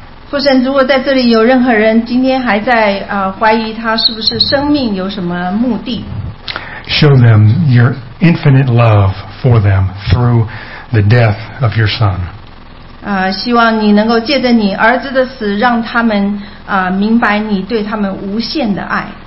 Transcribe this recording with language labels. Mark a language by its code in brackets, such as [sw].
[zh] 父神，如果在这里有任何人今天还在怀疑他是不是生命有什么目的 [en] ，Show them your infinite love for them through the death of your Son. [zh] 希望你能够借着你儿子的死，让他们明白你对他们无限的爱。